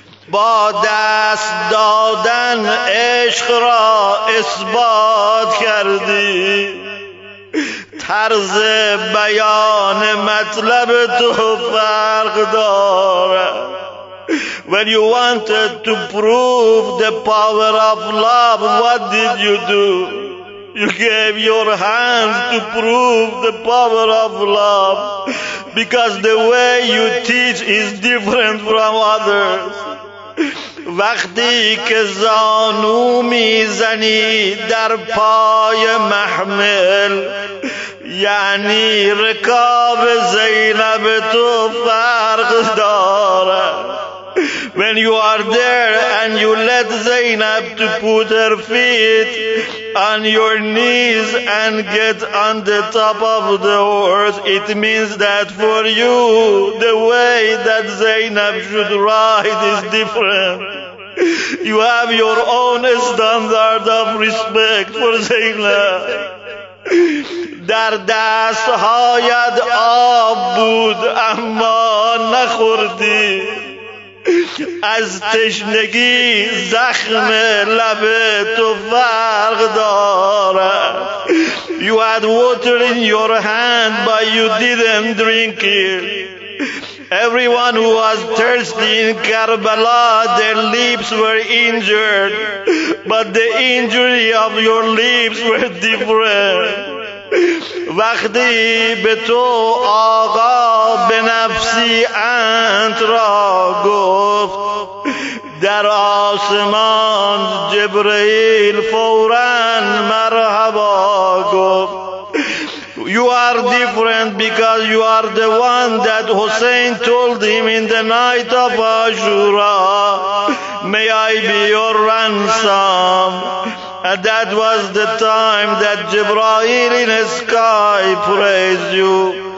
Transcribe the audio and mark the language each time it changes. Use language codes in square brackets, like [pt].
[fa] با دست دادن عشق را اثبات کردی. طرز بیان مطلب تو فرق داره. [en] When you wanted to prove the power of love, what did you do? You gave your hands to prove the power of love, because the way you teach is different from others. [fa] وقتی که زانو میزنی در پای محمل یعنی رکاب زینب تو فرق داره. [en] When you are there and you let Zainab to put her feet on your knees and get on the top of the horse, it means that for you the way that Zainab should ride is different. You have your own standard of respect for Zainab. [fa] در دستهایت آب بود اما نخوردی. از تشنگی زخم لب تو فرق داره. [en] You had water in your hand but you didn't drink it. Everyone who was thirsty in Karbala, their lips were injured, but the injury of your lips were different. [fa] وقتی به تو آقا به نفسی انت را گفت در آسمان جبرئیل فوراً مرحبا گفت. [en] You are different because you are the one that Hussein told him in the night of Ashura, may I be your ransom. And that was the time that Jibreel in the sky praised you.